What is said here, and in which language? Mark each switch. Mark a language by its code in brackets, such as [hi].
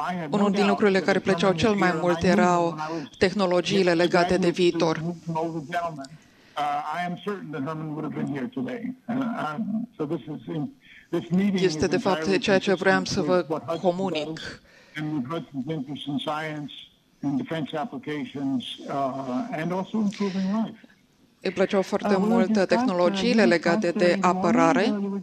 [ro] Unul din lucrurile care plăceau cel mai mult erau tehnologiile legate de viitor. [en] I am certain that Herman would have been here today. So this is in, this meeting. [ro] Este de fapt ceea ce vreau să vă comunic. [en] Hudson's interest in science and defense applications and also improving life. [ro] Îi plăceau foarte mult tehnologiile legate de apărare.